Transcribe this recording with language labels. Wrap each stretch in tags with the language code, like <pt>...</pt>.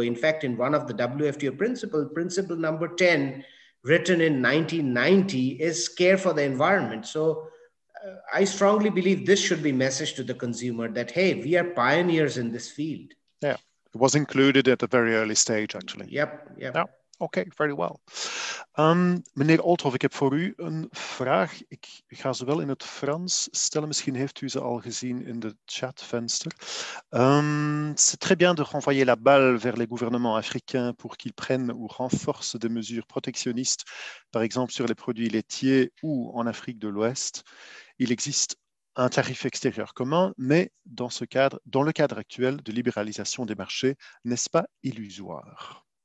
<en>In fact, in one of the WFTO principles, principle number 10, written in 1990, is care for the environment. So I strongly believe this should be message to the consumer that, hey, we are pioneers in this field. Yeah, it was included at the very early stage, actually. Yep. Oké, okay, very well.</en> <nl>Meneer Oldhoff, ik heb voor u een vraag. Ik ga ze wel in het Frans stellen. Misschien heeft u ze al gezien in de chatvenster.</nl> <fr>C'est très bien de renvoyer la balle vers les gouvernements africains pour qu'ils prennent ou renforcent des mesures protectionnistes, par exemple sur les produits laitiers ou en Afrique de l'Ouest. Il existe un tarif extérieur commun, mais dans ce cadre, dans le cadre actuel de libéralisation des marchés, n'est-ce pas illusoire?</fr>